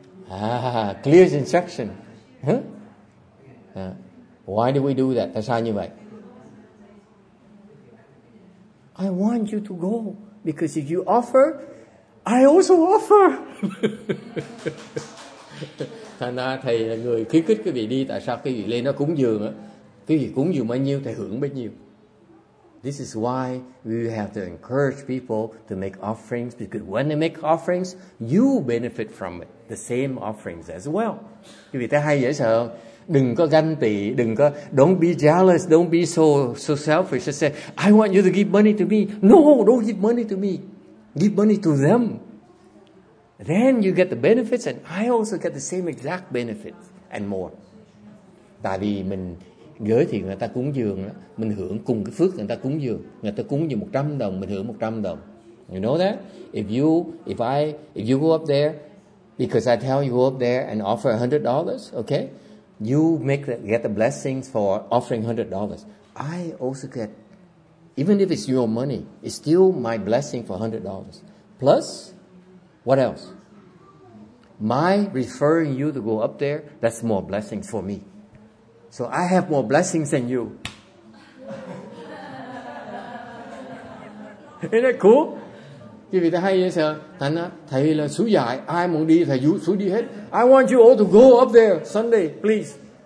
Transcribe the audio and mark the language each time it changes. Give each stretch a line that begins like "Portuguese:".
English: Ah, clear instruction. Huh? Why do we do that? That's how you like. I want you to go because if you offer, I also offer.
Vietnamese: Thành ra thầy là người khuyến khích quý vị đi. Tại sao quý vị lên nó cúng dường á? Quý vị cúng dường bao nhiêu thầy hưởng bấy nhiêu.
English: This is why we have to encourage people to make offerings, because when they make offerings, you benefit from it, the same offerings as well.
Vietnamese: Quý vị thấy hay dễ sợ không? Đừng có ganh tị, đừng có,
English: don't be jealous, don't be so selfish. Just say, I want you to give money to me. No, don't give money to me. Give money to them. Then you get the benefits and I also get the same exact benefits and more.
Vietnamese: Tại vì mình gửi thì người ta cúng dường, mình hưởng cùng cái phước người ta cúng dường. Người ta cúng dường 100 đồng, mình hưởng 100 đồng.
English: You know that? If you go up there, because I tell you go up there and offer $100, okay? You make the, get the blessings for offering $100. I also get, even if it's your money, it's still my blessing for $100. Plus, what else? My referring you to go up there, that's more blessings for me. So I have more blessings than you. Isn't that cool?
Vietnamese: Quý vị thấy hay vậy sao? Thành á, thầy là sứ dạy, ai muốn đi thầy sứ đi hết.
English: I want you all to go up there Sunday, please.